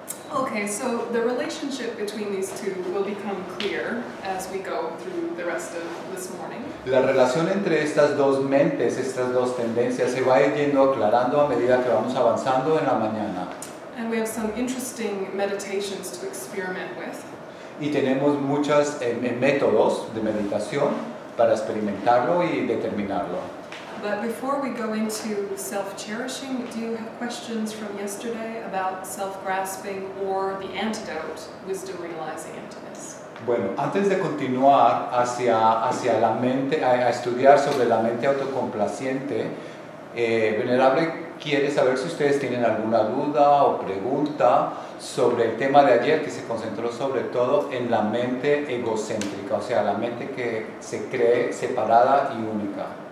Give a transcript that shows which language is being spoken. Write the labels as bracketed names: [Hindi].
[English] Okay, so the relationship between these two will become clear as we go through the rest of this morning. [Spanish] La relación entre estas dos mentes, estas dos tendencias, se va yendo aclarando a medida que vamos avanzando en la mañana. [English] And we have some interesting meditations to experiment with. [Spanish] Y tenemos muchos métodos de meditación para experimentarlo y determinarlo. [English] But before we go into self-cherishing, do you have questions from yesterday about self-grasping or the antidote, wisdom realizing emptiness? [Spanish] Bueno, antes de continuar hacia la mente, a estudiar sobre la mente autocomplaciente, Venerable quiere saber si ustedes tienen alguna duda o pregunta sobre el tema de ayer, que se concentró sobre todo en la mente egocéntrica, o sea, la mente que se cree separada y única.